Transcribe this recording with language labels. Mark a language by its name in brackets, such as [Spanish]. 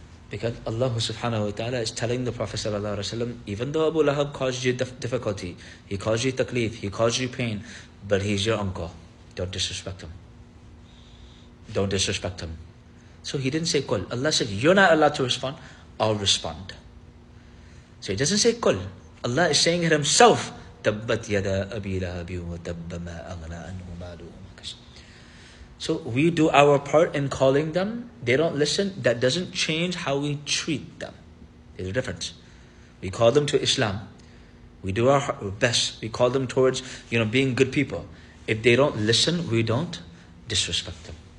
[English] Because Allah subhanahu wa ta'ala is telling the Prophet sallallahu alaihi wasallam, even though Abu Lahab caused you difficulty, he caused you taklif, he caused you pain, but he's your uncle. Don't disrespect him. Don't disrespect him. So he didn't say قُلْ. Allah said, you're not allowed to respond, I'll respond. So he doesn't say قُلْ. Allah is saying it himself. [Arabic] تَبَّتْ يَدَى أَبِي لَهَبٍ وَتَبَّ مَا أَغْنَى أَنْهُ مَالُهُ مَا كَسَبَ. [English] So we do our part in calling them. They don't listen. That doesn't change how we treat them. There's a difference. We call them to Islam. We do our best. We call them towards, you know, being good people. If they don't listen, we don't disrespect them.